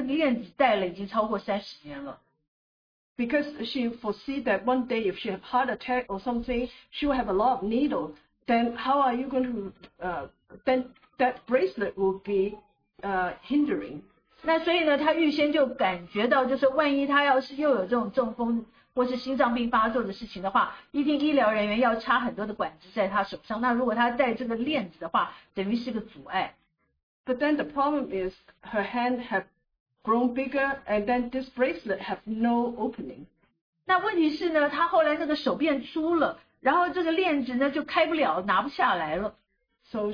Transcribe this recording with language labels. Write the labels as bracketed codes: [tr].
[zh] 那这个也呢，也是发生在四年前，就是因为我的母亲有了这个中风，所以呢，她就决定把她手上戴的链子给除掉，她这个链子戴了已经超过30年了。 [en] Because she foresee that one day if she have heart attack or something, she will have a lot of needles. Then how are you going to, then that bracelet will be hindering. [zh] 那所以呢，她预先就感觉到，就是万一她要是又有这种中风或是心脏病发作的事情的话，一定医疗人员要插很多的管子在她手上。那如果她戴这个链子的话，等于是个阻碍。 [en] But then the problem is her hand have grown bigger, and then this bracelet have no opening. [zh] 那问题是呢，她后来那个手变粗了，然后这个链子呢就开不了，拿不下来了。 [en] So